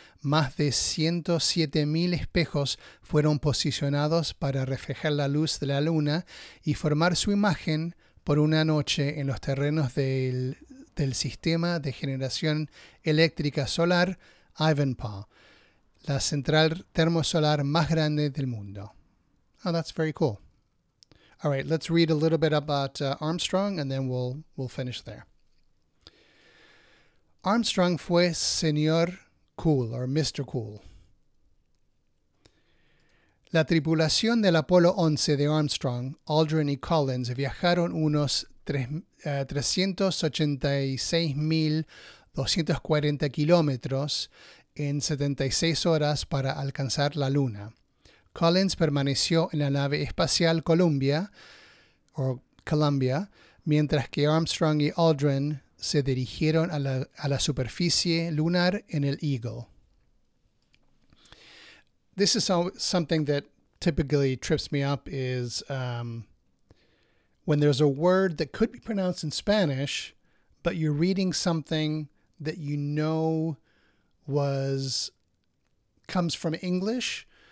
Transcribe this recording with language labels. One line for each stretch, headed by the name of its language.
Spanish: Más de 107.000 espejos fueron posicionados para reflejar la luz de la luna y formar su imagen por una noche en los terrenos del sistema de generación eléctrica solar Ivanpah, la central termosolar más grande del mundo.
English: Oh, that's very cool. All right, let's read a little bit about Armstrong and then we'll finish there.
Spanish: Armstrong fue señor Cool,
English: or Mr. Cool.
Spanish: La tripulación del Apolo 11 de Armstrong, Aldrin y Collins, viajaron unos 386.240 kilómetros en 76 horas para alcanzar la Luna. Collins permaneció en la nave espacial Columbia, mientras que Armstrong y Aldrin se dirigieron a la superficie lunar en el Eagle.
English: This is something that typically trips me up is when there's a word that could be pronounced in Spanish, but you're reading something that you know comes from English.